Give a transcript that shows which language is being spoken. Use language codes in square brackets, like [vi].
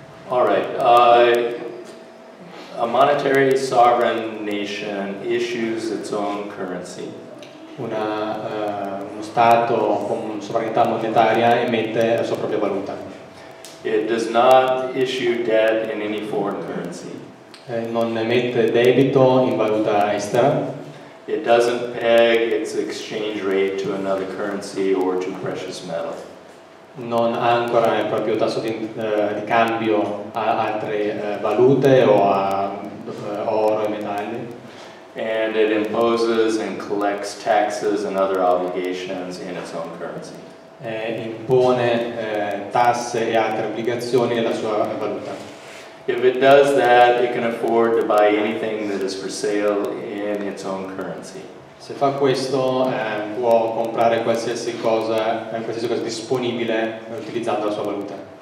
[en] All right, a monetary sovereign nation issues its own currency. [it] Uno stato con sovranità monetaria emette la sua propria valuta. [en] It does not issue debt in any foreign currency. [it] Non emette debito in valuta estera. [en] It doesn't peg its exchange rate to another currency or to precious metals. [it] Non ha ancora il proprio tasso di cambio a altre valute o a oro e metalli. [en] And it imposes and collects taxes and other obligations in its own currency. [it] E impone tasse e altre obbligazioni nella sua valuta. [en] If it does that, it can afford to buy anything that is for sale in its own currency. [it] Se fa questo, può comprare qualsiasi cosa disponibile utilizzando la sua valuta.